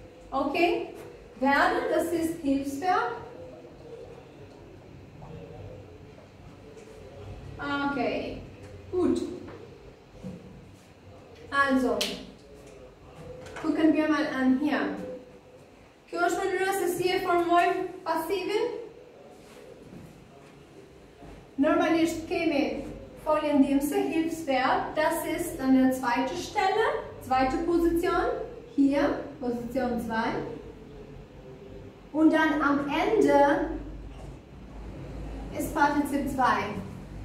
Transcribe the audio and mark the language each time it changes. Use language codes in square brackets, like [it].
[de] Okay, werden, das ist Hilfsverb. Okay, gut. Also, gucken wir mal an hier. [sq] Kjo është mënyra se si e formojmë pasivin. Normalisht kemi folje ndihmëse, Hilfsverb, [de] das ist an der zweite Stelle, zweite Position, hier, Position 2. Und dann am Ende ist Partizip 2.